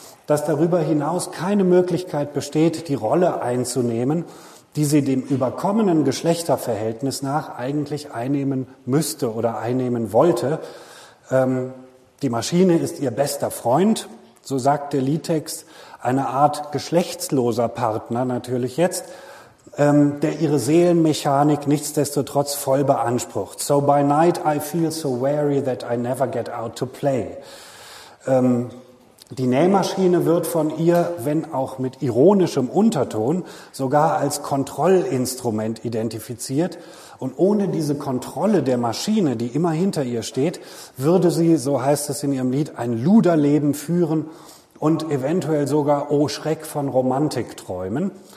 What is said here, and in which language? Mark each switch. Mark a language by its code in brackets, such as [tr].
[de] dass darüber hinaus keine Möglichkeit besteht, die Rolle einzunehmen, die sie dem überkommenen Geschlechterverhältnis nach eigentlich einnehmen müsste oder einnehmen wollte. Die Maschine ist ihr bester Freund, so sagt der Liedtext, eine Art geschlechtsloser Partner natürlich jetzt, der ihre Seelenmechanik nichtsdestotrotz voll beansprucht. [en] So by night I feel so weary that I never get out to play. [de] Die Nähmaschine wird von ihr, wenn auch mit ironischem Unterton, sogar als Kontrollinstrument identifiziert. Und ohne diese Kontrolle der Maschine, die immer hinter ihr steht, würde sie, so heißt es in ihrem Lied, ein Luderleben führen und eventuell sogar, oh Schreck, von Romantik träumen.